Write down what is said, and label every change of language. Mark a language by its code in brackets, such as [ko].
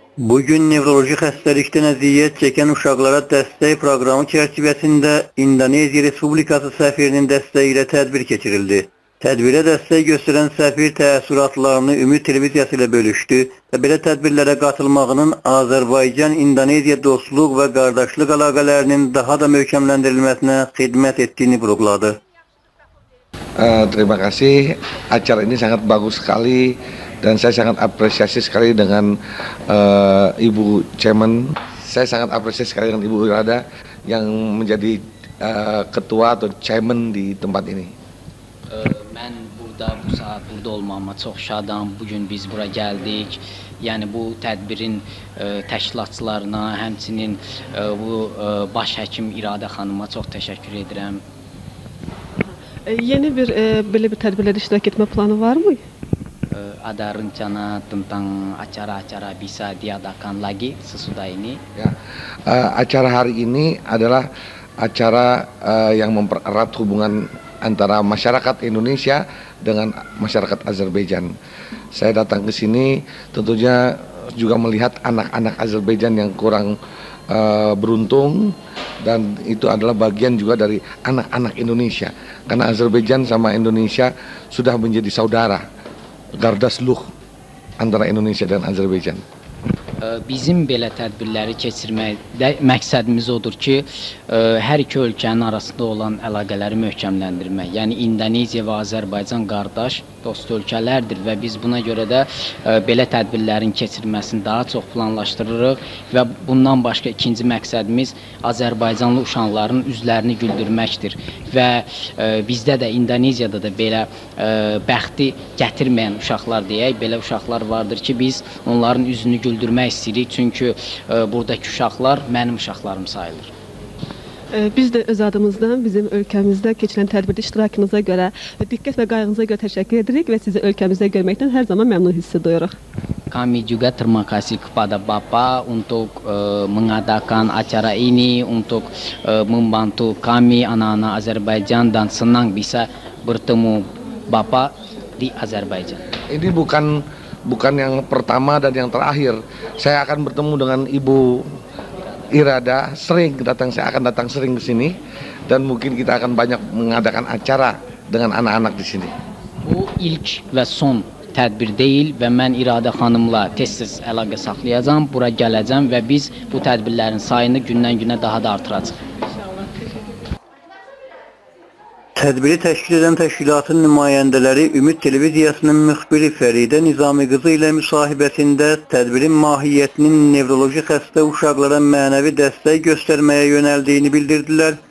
[az] Bugün nevroloji xəstəlikdən əziyyət çəkən uşaqlara dəstək proqramı çərçivəsində İndoneziya Respublikası səfirinin dəstəyi ilə tədbir keçirildi. Tədbirə dəstək göstərən səfir təəssüratlarını Ümid Televiziyası ilə bölüşdü və belə tədbirlərə qatılmağının Azərbaycan-İndoneziya dostluq və qardaşlıq əlaqələrinin daha da möhkəmləndirilməsinə xidmət etdiyini vurğuladı. [id] Terima kasih, acara ini sangat bagus sekali dan saya sangat apresiasi sekali dengan Ibu Cemen. Saya sangat apresiasi sekali dengan Ibu Irada yang menjadi ketua atau Cemen di tempat ini. [az] Mən burada bu saat burada olmama çox şadam. Bugün biz bura gəldik. Yəni bu tədbirin təşkilatçılarına, həmçinin bu baş həkim İradə xanıma çox təşəkkür edirəm. Yeni bir belə bir tədbirlərdə iştirak etmə planı var mı? [id] Adarınçana tentang acara-acara bisa diadakan lagi sesudah ini. Ya, acara hari ini adalah acara yang mempererat hubungan antara masyarakat Indonesia dengan masyarakat Azerbaijan. Saya datang ke sini tentunya juga melihat anak-anak Azerbaijan yang kurang beruntung, dan itu adalah bagian juga dari anak-anak Indonesia, karena Azerbaijan sama Indonesia sudah menjadi saudara, garda suluh antara Indonesia dan Azerbaijan. [az] Bizim belə tədbirləri keçirməkdə məqsədimiz odur ki, hər iki ölkənin arasında olan əlaqələri möhkəmləndirmək. Yəni İndoneziya və Azərbaycan qardaş, dost ölkələrdir və biz buna görə də belə tədbirlərin keçirməsini daha çox planlaşdırırıq və bundan başqa ikinci məqsədimiz Azərbaycanlı uşaqların üzlərini güldürməkdir və bizdə də İndoneziyada da belə bəxti gətirməyən uşaqlar deyək, belə uşaqlar vardır ki, biz onların üzünü güldürmək istəyirik, çünki buradakı uşaqlar mənim uşaqlarım sayılır. Biz də öz adımızdan bizim ölkəmizdə keçirilən tədbirdə iştirakınıza görə, diqqət və qayğınıza görə təşəkkür edirik və sizi ölkəmizdə görməkdən hər zaman məmnun hiss duyuruq. [id] Kami juga terima kasih kepada Bapak untuk mengadakan acara ini, untuk membantu kami anak-anak Azerbaijan, dan senang bisa bertemu Bapak di Azerbaijan. Ini bukan yang pertama dan yang terakhir. Saya akan bertemu dengan Ibu Irada sering datang, saya akan datang sering ke sini, dan mungkin kita akan banyak mengadakan acara dengan anak-anak di sini. [az] Bu ilk ve son tədbir deyil və mən İradə xanımla tez-tez əlaqə saxlayacağım, bura gələcəm və biz bu tədbirlərin sayını gündən-günə daha da artıracaq. Tədbiri təşkil edən təşkilatın nümayəndələri Ümid Televiziyasının müxbiri Fəridə Nizamiqızı ilə müsahibəsində tədbirin mahiyyətinin nevroloji xəstə uşaqlara mənəvi dəstək göstərməyə yönəldiyini bildirdilər.